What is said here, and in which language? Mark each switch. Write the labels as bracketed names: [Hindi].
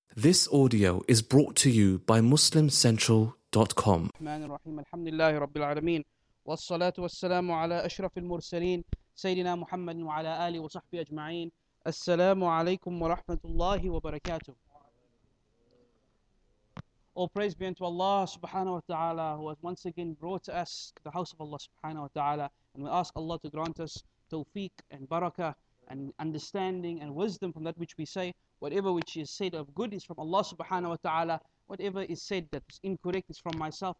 [English] This audio is brought to you by MuslimCentral.com. [Arabic] الرحمن الرحيم الحمد لله رب العالمين والصلاة والسلام على أشرف المرسلين سيدنا محمد وعلى آله وصحبه أجمعين السلام عليكم ورحمة الله وبركاته. [English] All praise be unto Allah subhanahu wa ta'ala, who has once again brought us to the house of Allah subhanahu wa ta'ala, and we ask Allah to grant us tawfiq and barakah and understanding and wisdom from that which we say. Whatever which is said of good is from Allah subhanahu wa ta'ala. Whatever is said that is incorrect is from myself.